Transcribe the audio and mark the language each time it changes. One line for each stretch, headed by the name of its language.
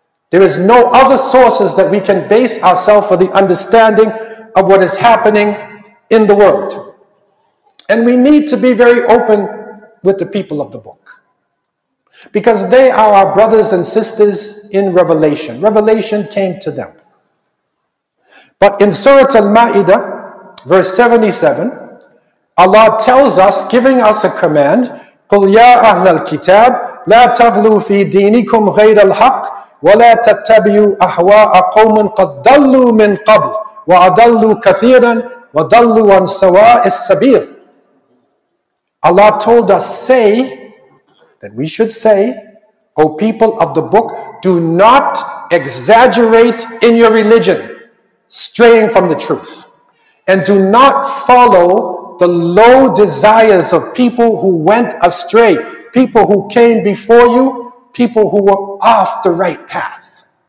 English: There is no other sources that we can base ourselves for the understanding of what is happening in the world. And we need to be very open with the people of the book, because they are our brothers and sisters in revelation. Revelation came to them. But in Surah Al-Ma'idah, verse 77, Allah tells us, giving us a command,
Arabic: قُلْ يَا أَهْلَ الْكِتَابِ لَا تَغْلُوا فِي دِينِكُمْ غَيْرَ الْحَقِّ وَلَا تَتَّبِيُوا أَحْوَاءَ قَوْمٍ قَدْ ضَلُّوا مِنْ قَبْلِ وَأَضَلُّوا كَثِيرًا وَضَلُّوا عَنْ سَوَاءِ السَّبِيلِ.
English: Allah told us, say, that we should say, O people of the book, do not exaggerate in your religion, straying from the truth. And do not follow the low desires of people who went astray, people who came before you, people who were off the right path.